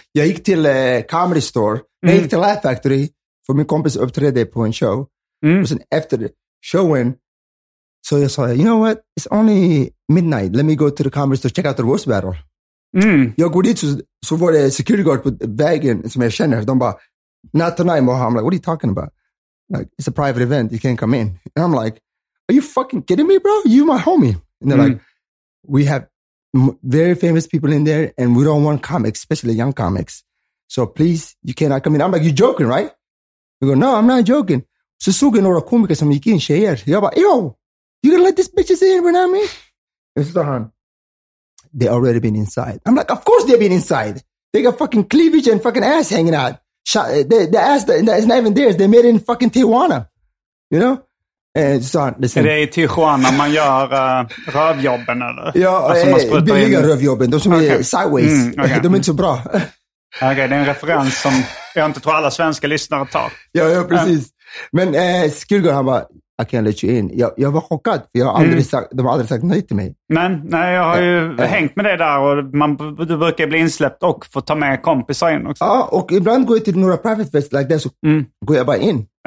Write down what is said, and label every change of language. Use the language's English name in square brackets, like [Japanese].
[Swedish] Jag gick till Comedy Store, jag gick till Laugh Factory, för min kompis uppträdde på en show. Mm. Och sen efter showen så jag sa, [English] you know what, it's only midnight, let me go to the comedy store, check out the roast battle. [Swedish] Jag går dit, så var det security guard på vägen som jag känner, de bara, [English] not tonight [Swedish] Moha. [English] I'm like, what are you talking about, like, it's a private event, you can't come in. And I'm like, are you fucking kidding me, bro, you my homie. And they're like, we have very famous people in there and we don't want comics, especially young comics, so please, you cannot come in. I'm like, you're joking, right? They go, no, I'm not joking. [Swedish] Så såg jag några komiker som gick in, tjejer. Jag bara, [English] yo, you gonna let these bitches in, you know what I mean? [Swedish] Så han, [English] they already been inside. I'm like, of course they've been inside. They got fucking cleavage and fucking ass hanging out. The ass that is not even theirs. They made it in fucking Tijuana. You know? [Swedish] Är det i Tijuana man gör rövjobben eller? Ja, alltså billiga rövjobben. De som är sideways. Okay. De är inte så bra. Okej, okay, det är en referens som jag inte tror alla svenska lyssnare tar. Ja, ja, precis. Men Skurgård, han bara, [English] I can't let you in. [Swedish] Jag var chockad, för jag har aldrig sagt, de har aldrig sagt nej till mig. Men, nej, jag har ju hängt med det där och du brukar bli insläppt och få ta med kompisar in också. Ja, och ibland går jag till några private fest [English] like that, [Swedish] så går jag bara in.